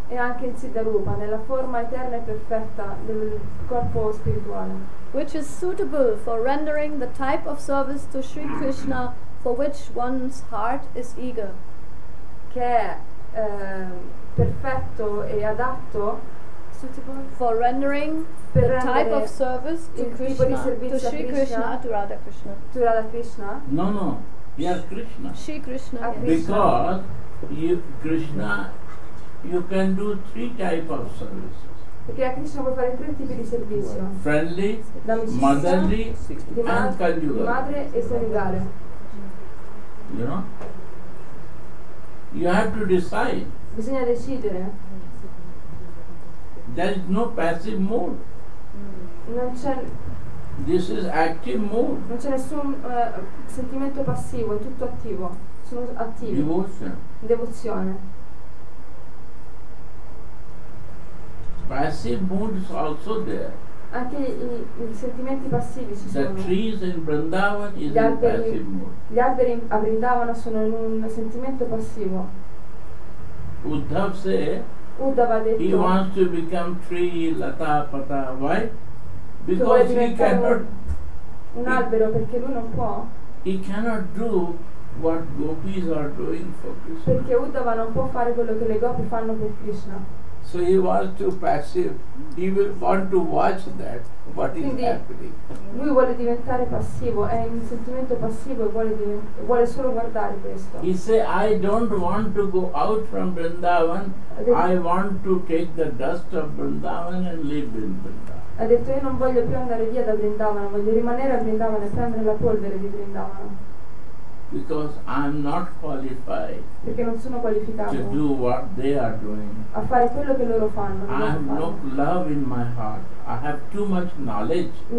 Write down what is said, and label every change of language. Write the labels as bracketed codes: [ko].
[it] E anche in Siddha Rupa, nella forma eterna e perfetta del corpo spirituale. [en] Which is suitable for rendering the type of service to Sri Krishna for which one's heart is eager. [it] Che è perfetto e adatto. [en] Suitable for rendering [it] per [en] the type of service to Krishna, [it] di servizio [en] to Sri Krishna, to Radha Krishna. To Radha Krishna. No, no. Yeah, Krishna. Sri Krishna. Yes. Because you, Krishna, you can do three types of services. [it] Perché a Krishna puoi fare tre tipi di servizio. [en] Friendly, motherly, and conjugal. [it] Madre e coniugale. [en] You know? You have to decide. [it] Bisogna decidere. [en] There is no passive mood. [it] Non c'è. [en] This is active mood. [it] Non c'è nessun sentimento passivo, è tutto attivo. Sono attivi. Devozione. [en] Passive mood is also there. [it] anche i sentimenti passivi ci [en] the [it] sono. [en] Trees in Vrindavan is [it] gli alberi, [en] in passive mood. [it] Gli alberi a Vrindavana sono in un sentimento passivo. [en] Uddhava say, [it] Uddhava detto, [en] he wants to become tree, lata, pata. Why? Because he cannot. [it] Un albero perché lui non può. [en] He cannot do what gopis are doing for Krishna. [it] Perché Uddhava non può fare quello che le gopi fanno per Krishna. [en] So he wants to passive. He will want to watch that what [it] quindi [en] is happening. [it] Lui vuole diventare passivo. È un sentimento passivo e vuole solo guardare questo. [en] He say, I don't want to go out from Vrindavan. I want to take the dust of Vrindavan and live in Vrindavan. [it] Ha detto io non voglio più andare via da Vrindavan. Voglio rimanere a Vrindavan e prendere la polvere di Vrindavan. [en] Because I'm not qualified. [it] Perché non sono qualificato. [en] To do what they are doing. [it] A fare quello che loro fanno. [en] I have no love in my heart. I have too much knowledge.